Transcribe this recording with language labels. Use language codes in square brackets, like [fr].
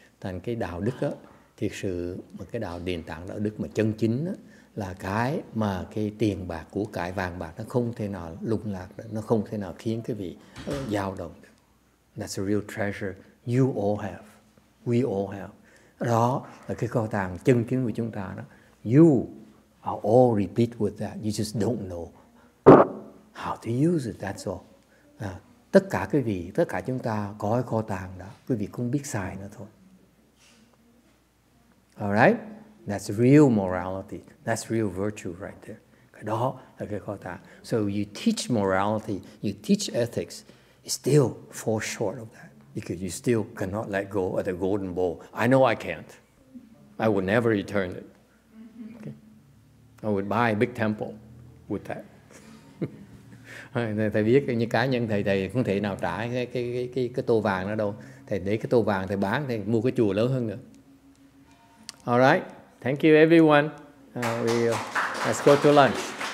[vi] Thành cái đạo đức á, thực sự mà cái đạo nền tảng đạo đức mà chân chính á, là cái mà cái tiền bạc của cải vàng bạc nó không thể nào lung lạc được, nó không thể nào khiến cái vị dao động được. [en] That's a real treasure you all have, we all have. [vi] Đó là cái kho tàng chân chính của chúng ta đó. [en] You are all replete with that. You just don't know how to use it, that's all. [vi] Tất cả quý vị, tất cả chúng ta có cái kho tàng đó, quý vị cũng biết xài nó thôi. [en] Alright? That's real morality. That's real virtue right there. [vi] Cái đó là cái kho tàng. [en] So you teach morality, you teach ethics, it still falls short of that. Because you still cannot let go of the golden bowl. I know I can't. I would never return it. Okay? I would buy a big temple with that. [vi] Thầy biết như cá nhân thầy không thể nào trả cái tô vàng đó đâu. Thầy để cái tô vàng thầy bán, thầy mua cái chùa lớn hơn nữa. [en] All right. Thank you, everyone. Let's go to lunch.